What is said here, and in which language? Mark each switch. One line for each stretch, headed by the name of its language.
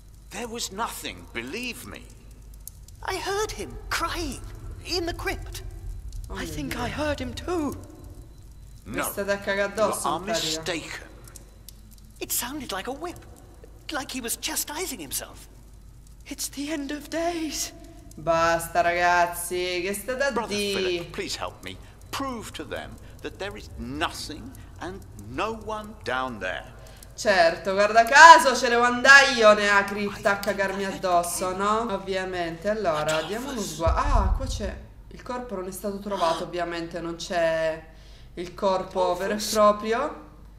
English: There was nothing, believe me. I heard him crying in the crypt. Oh, I think I heard him too. No, you are mistaken. It sounded like a whip, like he was chastising himself. It's the end of days.
Italian: Basta, ragazzi, che state a dire?
English: Brother Philip, please help me. Prove to them that there is nothing and no one down there.
Italian: Certo, guarda caso, ce ne andai io nella cripta a cagarmi addosso, no? Ovviamente, allora, diamo uno sguardo. Ah, qua c'è... Il corpo non è stato trovato, ovviamente, non c'è il corpo vero e proprio.